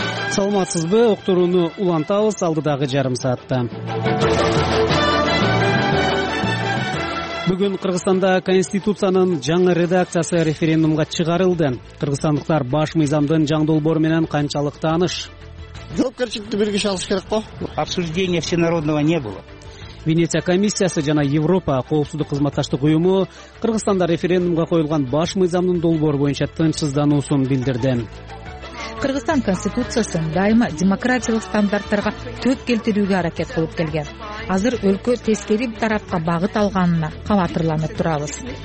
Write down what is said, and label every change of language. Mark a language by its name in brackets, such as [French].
[Kyrgyz] Саламатсызбы? Уктурууну улантабыз алдыдагы жарым саатта. Бүгүн Кыргызстанда Конституциянын жаңы редакциясы референдумга чыгарылды. Кыргызстандыктар баш мыйзамдын жаңы долбоору менен канчалык тааныш? Жоопкерчиликти бир киши алыш керек го. [Russian] Обсуждения всенародного не было. [Kyrgyz] Венеция комиссиясы жана Европа коопсуздук кызматташтык уюму Кыргызстанда референдумга коюлган баш мыйзамдын долбоору боюнча тынчсыздануусун билдирди. Кыргызстан конституциясы дайыма демократиялык стандарттарга төп келтирүүгө аракет кылып келген. Азыр өлкө тескери тарапка багыт алганына кабатырланып турабыз.